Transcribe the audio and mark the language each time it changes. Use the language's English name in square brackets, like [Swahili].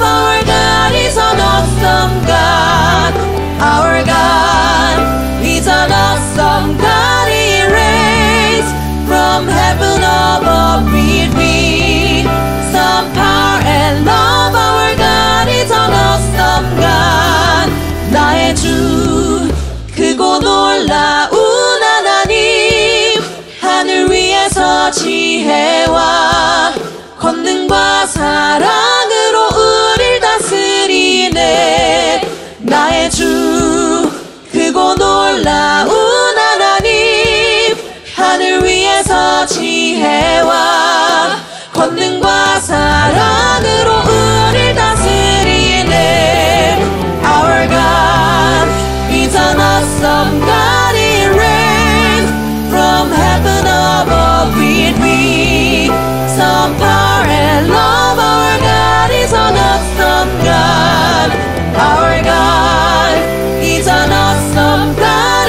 [English] Our God is an awesome God. Our God is an awesome God. He reigns from heaven above with we stand power and love. Our God is an awesome God. [Korean] 나의 주 크고 놀라운 하나님, 하늘 위에서 지혜와 권능과 사랑으로 우릴 다스리네. 나의 주 크고 놀라운 하나님, 하늘 위에서 지혜와 권능과 사랑으로 우릴 다스리네. [English] Our God is an awesome God. He reigns from heaven above with me some power and love. Our God is an awesome God. Our God is an awesome God.